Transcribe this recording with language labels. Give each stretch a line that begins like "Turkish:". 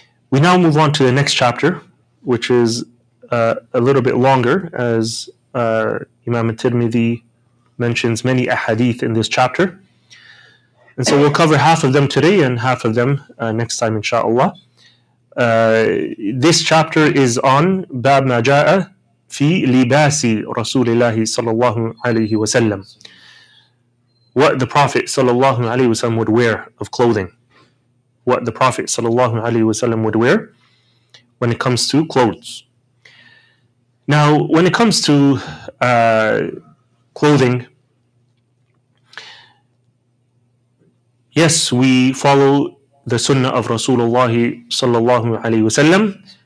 English: We now move on to the next chapter, which is a little bit longer, as Imam al-Tirmidhi mentions many ahadith in this chapter. And so we'll cover half of them today and half of them next time, inshallah. This chapter is on
Arabic: باب ما جاء في لباس رسول الله صلى الله عليه وسلم.
English: What the Prophet
Arabic: صلى الله عليه وسلم
English: would wear of clothing. What the Prophet صلى الله عليه وسلم would wear when it comes to clothes. Now, when it comes to clothing, yes, we follow the sunnah of Rasulullah sallallahu alayhi wasallam.